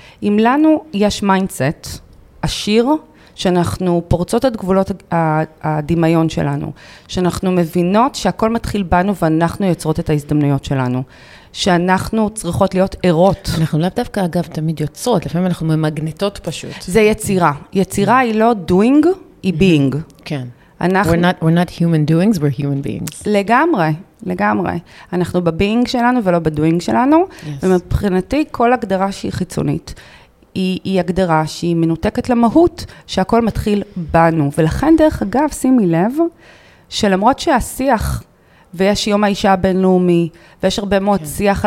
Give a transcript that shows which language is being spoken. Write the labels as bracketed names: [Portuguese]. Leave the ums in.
[Hebrew] אם לנו יש מיינדסט עשיר, שאנחנו פורצות את גבולות הדמיון שלנו, שאנחנו מבינות שהכל מתחיל בנו ואנחנו יוצרות את ההזדמנויות שלנו. שאנחנו צריכות להיות ערות. אנחנו לאו דווקא, אגב, תמיד יוצרות, לפעמים אנחנו ממגנטות פשוט. זה יצירה. יצירה mm-hmm. היא לא doing, היא being. כן. Mm-hmm. אנחנו... [English] We're not, we're not human doings, we're human beings. [Hebrew] לגמרי, לגמרי. אנחנו בביינג שלנו ולא בדוינג שלנו, yes. ומבחינתי כל הגדרה שהיא חיצונית, היא, היא הגדרה שהיא מנותקת למהות, שהכל מתחיל בנו. Mm-hmm. ולכן, דרך אגב, שימי לב, שלמרות שהשיח ויש יום האישה הבינלאומי, ויש הרבה מאוד כן. שיח okay.